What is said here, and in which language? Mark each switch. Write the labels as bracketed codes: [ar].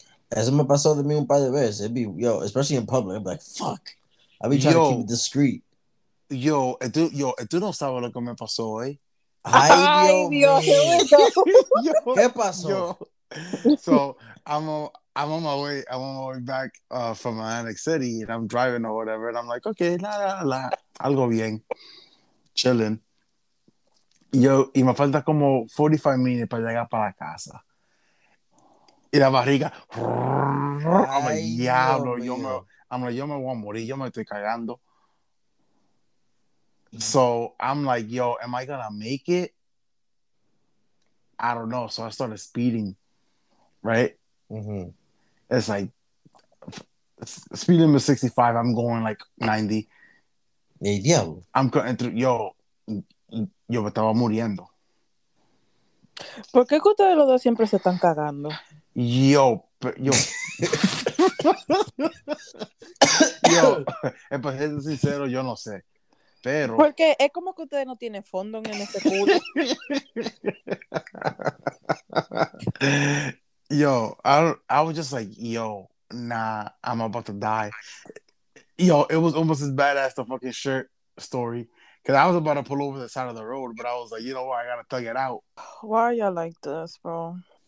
[es] Eso me pasó de mí un par de veces. [en] It'd be, yo, especially in public, I'd be like, fuck. I'd be trying to keep it discreet. [es] Yo, tú no sabes lo que me pasó hoy. Ay, Dios. ¿Qué pasó? Yo. [en] So, I'm on my way back from Atlantic City, and I'm driving or whatever, and I'm like, okay, [es] algo bien. [en] Chilling. [es] Yo, y me falta como 45 minutes para llegar para casa. Y la barriga. [en] I'm like, [es] yo me voy a morir. Yo me estoy cagando. [en] So I'm like, yo, am I going to make it? I don't know. So I started speeding, right? Mm-hmm. It's like, speed limit 65. I'm going like 90. [es] Hey, diablo. [en] I'm cutting through. [es] Yo. Yo me estaba muriendo. ¿Por qué que ustedes los dos siempre se están cagando? Yo. Yo, para ser sincero, yo no sé. Pero. Porque es como que ustedes no tienen fondo en este culo. [en] Yo, I was just like, yo, nah, I'm about to die. Yo, it was almost as bad as the fucking shirt story. Because I was about to pull over the side of the road, but I was like, you know what? I got to thug it out. Why are y'all like this, bro?